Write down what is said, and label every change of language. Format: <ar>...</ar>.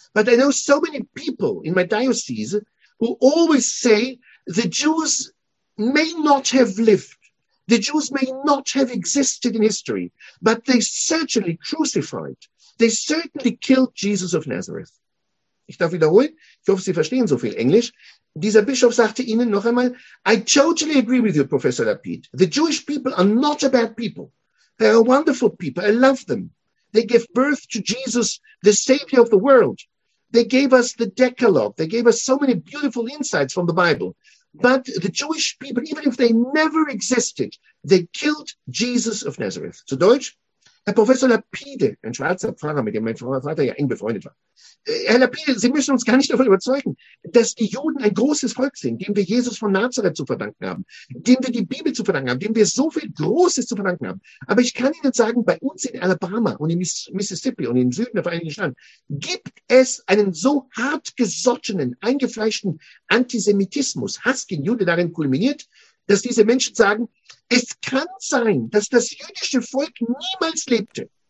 <en>But I know so many people in my diocese who always say, the Jews may not have lived, the Jews may not have existed in history, but they certainly crucified, they certainly killed Jesus of Nazareth.</en> <de>Ich darf wiederholen, ich hoffe, Sie verstehen so viel Englisch. Dieser Bischof sagte Ihnen noch einmal,</de> <en>I totally agree with you, Professor Lapid. The Jewish people are not a bad people. They are wonderful people. I love them. They gave birth to Jesus, the Savior of the world. They gave us the Decalogue. They gave us so many beautiful insights from the Bible. But the Jewish people, even if they never existed, they killed Jesus of Nazareth.</en> <de>Zu Deutsch, Herr Professor Lapide, ein schwarzer Pfarrer, mit dem mein Vater ja eng befreundet war. Herr Lapide, Sie müssen uns gar nicht davon überzeugen, dass die Juden ein großes Volk sind, dem wir Jesus von Nazareth zu verdanken haben, dem wir die Bibel zu verdanken haben, dem wir so viel Großes zu verdanken haben. Aber ich kann Ihnen sagen, bei uns in Alabama und in Mississippi und im Süden der Vereinigten Staaten gibt es einen so hartgesottenen, eingefleischten Antisemitismus, Hass gegen Juden, darin kulminiert, dass diese Menschen sagen, es kann sein, dass das jüdische Volk niemals lebte.</de>